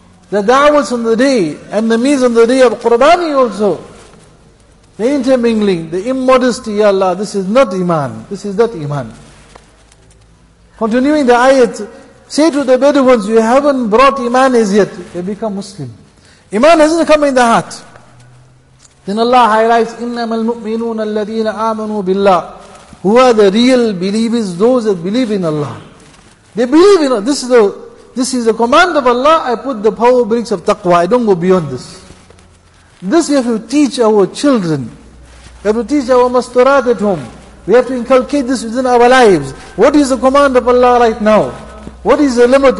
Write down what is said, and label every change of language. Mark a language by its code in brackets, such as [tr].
[en] The da'wahs on the day, and the means on the day of Qurbani also, the intermingling, the immodesty, Ya Allah, this is not Iman, this is not Iman. Continuing the ayat, say to the Bedouins, you haven't brought Iman as yet, they become Muslim. Iman hasn't come in the heart. Then Allah highlights, [ar] إِنَّمَا الْمُؤْمِنُونَ الَّذِينَ آمَنُوا بِاللَّهِ. [en] Who are the real believers? Those that believe in Allah. They believe in Allah. This is the command of Allah, I put the power bricks of taqwa, I don't go beyond this. This we have to teach our children. We have to teach our masturat at home. We have to inculcate this within our lives. What is the command of Allah right now? What is the limit?